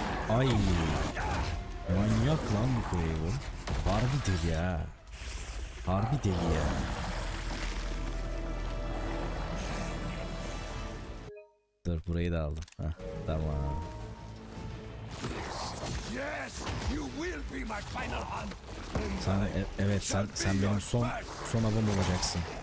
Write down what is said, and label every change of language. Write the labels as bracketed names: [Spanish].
[Turkish] Ay. Manyak lan bu Craven. Harbi deli ya. Harbi deli ya. Dur burayı da aldım. Heh, tamam. [English] Yes, you will be my final hunt. [Turkish] Sana evet sen benim son avım olacaksın.